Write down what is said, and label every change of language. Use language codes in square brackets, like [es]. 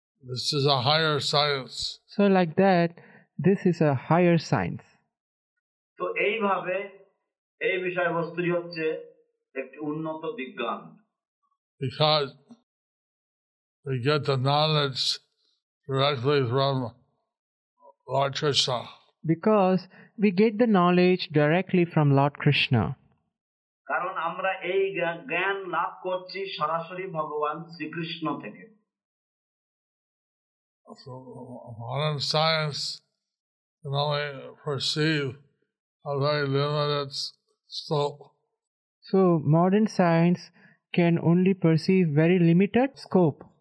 [en] This is a higher science. So like that, this is a higher science. [bn] তো এইভাবে এই বিষয়বস্তুটি হচ্ছে একটি উন্নত বিজ্ঞান. [en] We get the knowledge directly from Lord Krishna. Because we get the knowledge directly from Lord Krishna. [bn] কারণ আমরা এই জ্ঞান লাভ করছি সরাসরি ভগবান শ্রীকৃষ্ণ থেকে. [en] So modern science can only perceive a very limited scope. So modern science can only perceive very limited scope.